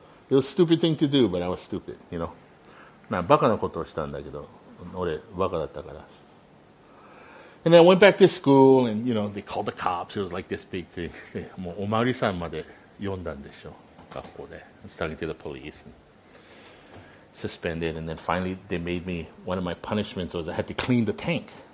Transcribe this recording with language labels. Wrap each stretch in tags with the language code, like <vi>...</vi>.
<en>It was a stupid thing to do, but I was stupid, you know.</en> <ja>まあバカなことをしたんだけど、俺バカだったから。</ja> <en>And then I went back to school and, you know, they called the cops. It was like this big thing.</en> <ja>もうお巡りさんまで呼んだんでしょ、学校で。</ja> <en>I was talking to the police. And suspended. And then finally, they made me, one of my punishments was I had to clean the tank.</en>